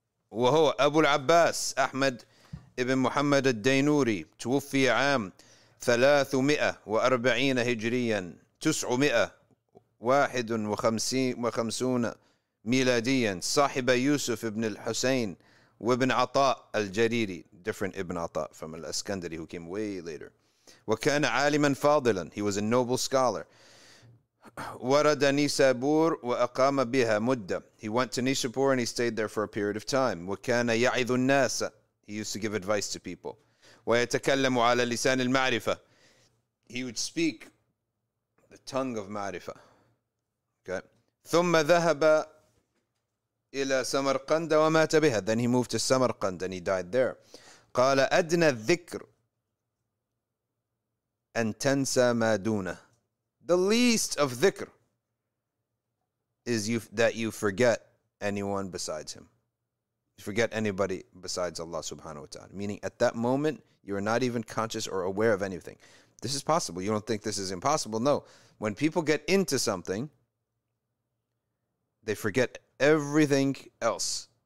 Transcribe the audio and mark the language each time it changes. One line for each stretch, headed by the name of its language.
Arabic: وهو أبو العباس أحمد ابن محمد الدينوري توفي عام 340 هجريا 951 ميلاديا صاحب يوسف ابن الحسين وابن عطاء الجريري
English: different
Arabic: ابن عطاء from الأسكندري
English: who came way later
Arabic: وكان عالما فاضلا
English: he was a noble scholar
Arabic: ورد نيسابور وأقام بها مدة.
English: He went to Nishapur and he stayed there for a period of time.
Arabic: وكان يعظ الناس.
English: He used to give advice to people.
Arabic: ويتكلم على لسان المعرفة.
English: He would speak the tongue of معرفة. Okay.
Arabic: ثم ذهب إلى سمرقند ومات بها.
English: Then he moved to Samarkand and he died there.
Arabic: قال أدنى الذكر أن تنسى ما دونه.
English: The least of dhikr is that you forget anyone besides him. You forget anybody besides Allah subhanahu wa ta'ala. Meaning at that moment, you are not even conscious or aware of anything. This is possible. You don't think this is impossible. No. When people get into something, they forget everything else.